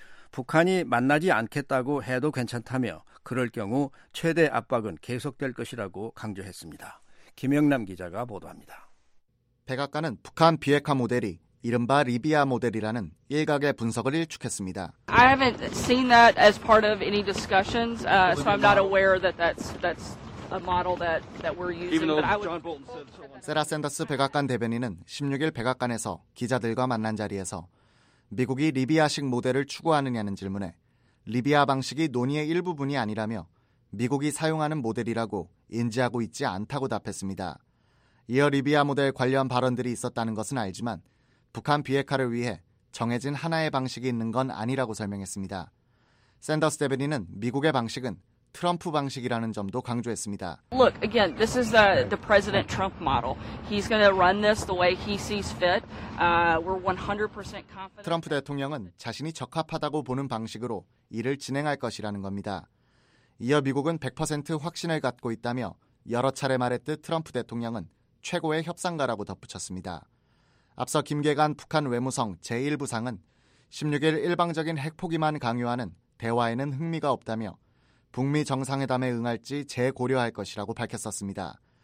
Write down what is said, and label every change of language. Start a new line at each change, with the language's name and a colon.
Korean: 북한이 만나지 않겠다고 해도 괜찮다며 그럴 경우 최대 압박은 계속될 것이라고 강조했습니다. 김영남 기자가 보도합니다. 백악관은 북한 비핵화 모델이 이른바 리비아 모델이라는 일각의 분석을 일축했습니다.
English: I haven't seen that as part of any discussions, so I'm not aware that that's a model that we're using. But I would.
Korean: 세라 샌더스 백악관 대변인은 16일 백악관에서 기자들과 만난 자리에서 미국이 리비아식 모델을 추구하느냐는 질문에 리비아 방식이 논의의 일부분이 아니라며 미국이 사용하는 모델이라고 인지하고 있지 않다고 답했습니다. 이어 리비아 모델 관련 발언들이 있었다는 것은 알지만 북한 비핵화를 위해 정해진 하나의 방식이 있는 건 아니라고 설명했습니다. 샌더스 대변인은 미국의 방식은 트럼프 방식이라는 점도 강조했습니다.
English: Look, again, this is the President Trump model. He's going to run this the way he sees fit. We're 100% confident.
Korean: 트럼프 대통령은 자신이 적합하다고 보는 방식으로 일을 진행할 것이라는 겁니다. 이어 미국은 100% 확신을 갖고 있다며 여러 차례 말했듯 트럼프 대통령은 최고의 협상가라고 덧붙였습니다. 앞서 김계관 북한 외무성 제1부상은 16일 일방적인 핵포기만 강요하는 대화에는 흥미가 없다며 북미 정상회담에 응할지 재고려할 것이라고 밝혔었습니다.